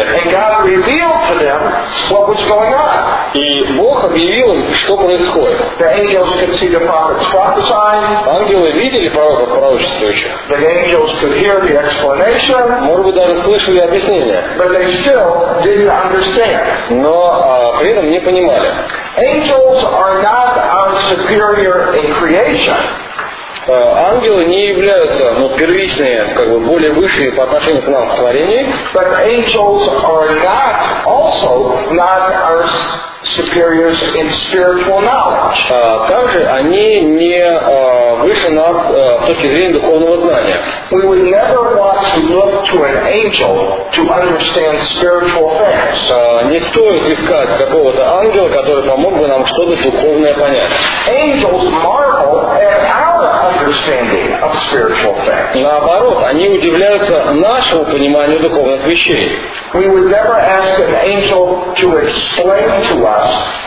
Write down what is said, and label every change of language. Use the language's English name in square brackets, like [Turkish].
[English] And God revealed to them what was going on. [Russian] И Бог объявил им, что происходит. [English] The angels could see the prophets prophesying. [Russian] Ангелы видели пророков пророчествующих. [English] The angels could hear the explanation. [Russian] Может быть, даже слышали объяснение. [English] But they still didn't understand. [Russian] Но при этом не понимали. [English] Angels are not our superior in creation. [Russian] Ангелы не являются первичные, более высшие по отношению к нам в творении. [English] But angels are not also not our superiors in spiritual knowledge. [Russian] Также они не выше нас с точки зрения духовного знания. [English] We would never want to look to an angel to understand spiritual things. [Russian] Не стоит искать какого-то ангела, который помог бы нам что-то духовное понять. [English] Angels marvel at our understanding of spiritual things. [Russian] Наоборот, они удивляются нашему пониманию духовных вещей. [English] We would never ask an angel to explain to us.